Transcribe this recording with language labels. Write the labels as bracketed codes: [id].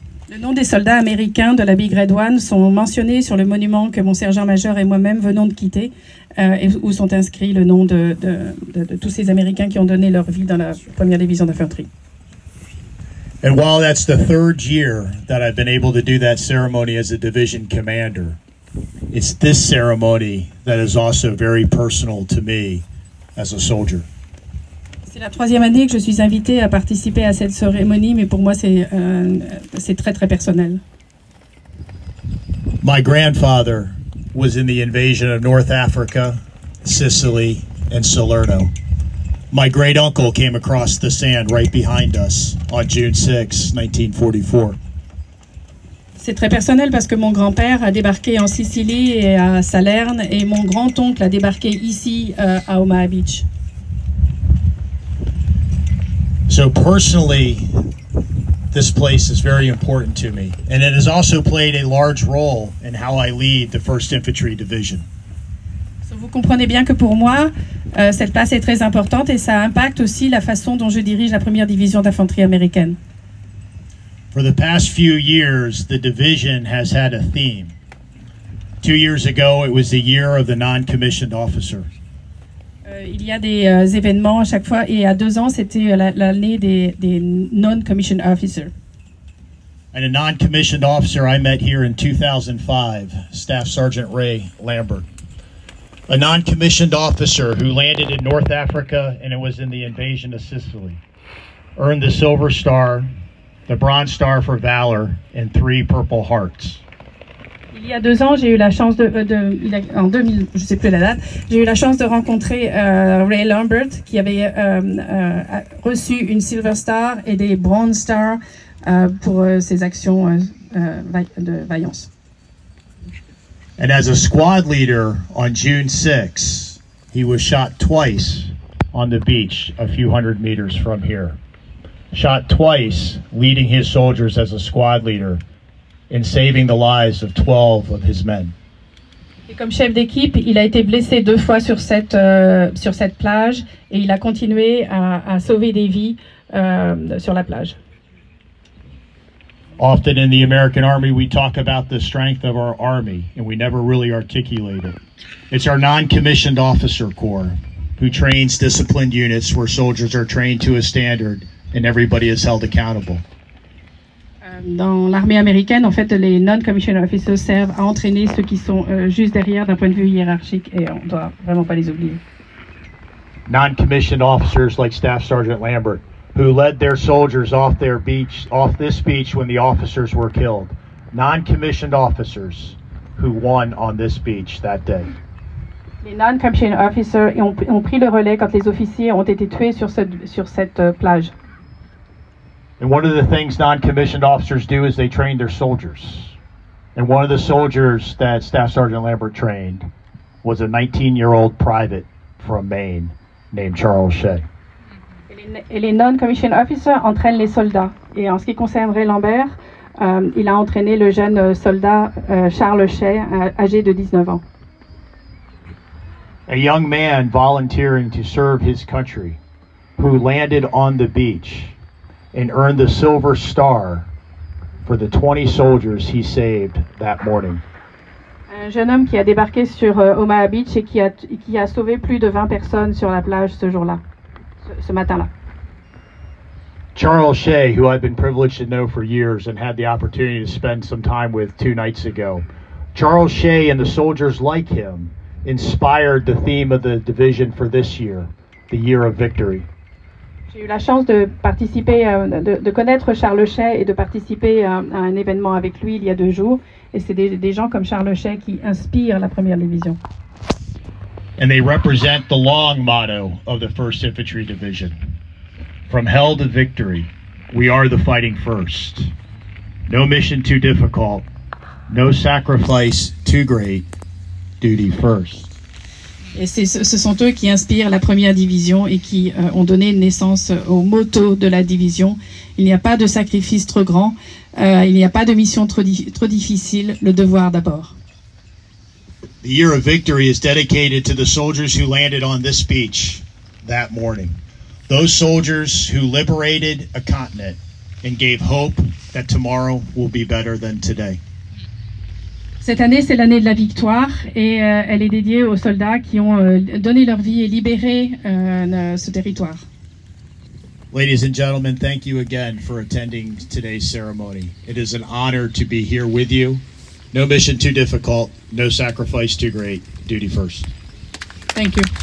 [fr] Le nom des soldats américains de la Big Red One sont mentionnés sur le monument que mon sergent-major et moi-même venons de quitter, où sont inscrits le nom de tous ces Américains qui ont donné leur vie dans la première division d'infanterie. [en] And while that's the third year that I've been able to do that ceremony as a division commander, it's this ceremony that is also very personal to me as a soldier. [fr] C'est la troisième année que je suis invité à participer à cette cérémonie, mais pour moi c'est très très personnel. [en] My grandfather was in the invasion of North Africa, Sicily, and Salerno. My great uncle came across the sand right behind us on June 6, 1944. [fr] C'est très personnel parce que mon grand-père a débarqué en Sicile et à Salerne, et mon grand-oncle a débarqué ici à Omaha Beach. [en] So personally, this place is very important to me, and it has also played a large role in how I lead the 1st Infantry Division. [fr] So vous comprenez bien que pour moi, cette place est très importante et ça impacte aussi la façon dont je dirige la première division d'infanterie américaine. [en] For the past few years, the division has had a theme. 2 years ago, it was the year of the non-commissioned officer. [fr] Il y a des événements à chaque fois, et à 2 ans, c'était l'année des non-commissioned officers. [en] And a non-commissioned officer I met here in 2005, Staff Sergeant Ray Lambert. A non-commissioned officer who landed in North Africa and it was in the invasion of Sicily, earned the Silver Star, the Bronze Star for Valor, and 3 Purple Hearts. [fr] Il y a 2 ans, j'ai eu la chance en 2000, je sais plus la date, j'ai eu la chance de rencontrer Ray Lambert, qui avait reçu une Silver Star et des Bronze Star pour ses actions de vaillance. [en] And as a squad leader on June 6, he was shot twice on the beach a few hundred meters from here. Shot twice leading his soldiers as a squad leader and saving the lives of 12 of his men. [fr] Et comme chef d'équipe, il a été blessé 2 fois sur cette plage, et il a continué à sauver des vies sur la plage. [en] Often in the American Army, we talk about the strength of our Army, and we never really articulate it. It's our non-commissioned officer corps who trains disciplined units where soldiers are trained to a standard and everybody is held accountable. [fr] Dans l'armée américaine, en fait, les non-commissioned officers servent à entraîner ceux qui sont juste derrière d'un point de vue hiérarchique, et on doit vraiment pas les oublier. [en] Non-commissioned officers like Staff Sergeant Lambert, who led their soldiers off their beach, off this beach when the officers were killed. Non-commissioned officers who won on this beach that day. [fr] Les non-commissioned officers ont pris le relais quand les officiers ont été tués sur cette plage. [en] And one of the things non-commissioned officers do is they train their soldiers. And one of the soldiers that Staff Sergeant Lambert trained was a 19-year-old private from Maine named Charles Shay. [fr] Et les non-commissioned officers entraînent les soldats. Et en ce qui concerne Ray Lambert, il a entraîné le jeune soldat Charles Shay, âgé de 19 ans. [en] A young man volunteering to serve his country, who landed on the beach and earned the Silver Star for the 20 soldiers he saved that morning. [fr] Un jeune homme qui a débarqué sur Omaha Beach et qui a sauvé plus de 20 personnes sur la plage ce jour-là, ce matin-là. [en] Charles Shay, who I've been privileged to know for years and had the opportunity to spend some time with two nights ago. Charles Shay and the soldiers like him inspired the theme of the division for this year, the year of victory. [fr] J'ai eu la chance de participer, de connaître Charles Shay et de participer à un événement avec lui il y a deux jours. Et c'est des gens comme Charles Shay qui inspirent la première division. [en] And they represent the long motto of the 1st Infantry Division. From hell to victory, we are the fighting first. No mission too difficult, no sacrifice too great, duty first. [fr] Et ce sont eux qui inspirent la première division et qui ont donné naissance au motto de la division. Il n'y a pas de sacrifice trop grand, il n'y a pas de mission trop difficile, le devoir d'abord. [en] The year of victory is dedicated to the soldiers who landed on this beach that morning. Those soldiers who liberated a continent and gave hope that tomorrow will be better than today. [fr] Cette année, c'est l'année de la victoire et elle est dédiée aux soldats qui ont donné leur vie et libéré ce territoire. [en] Ladies and gentlemen, thank you again for attending today's ceremony. It is an honor to be here with you. No mission too difficult, no sacrifice too great. Duty first. Thank you.